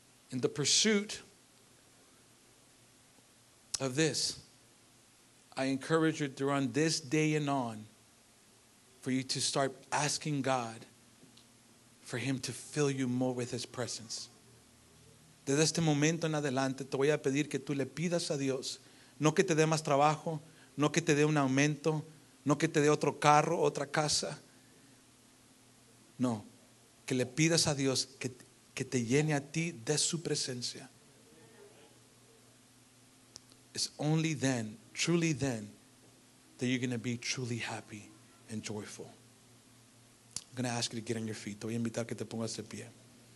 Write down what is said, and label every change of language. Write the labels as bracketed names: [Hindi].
[English] In the pursuit of this, I encourage you during this day and on for you to start asking God for him to fill you more with his presence. [Spanish] Desde este momento en adelante te voy a pedir que tú le pidas a Dios, no que te dé más trabajo, no que te dé un aumento, no que te dé otro carro, otra casa. No, que le pidas a Dios que te llene a ti de su presencia. [English] It's only then, truly then, that you're going to be truly happy and joyful. I'm going to ask you to get on your feet. [Spanish] Te voy a invitar que te pongas de pie.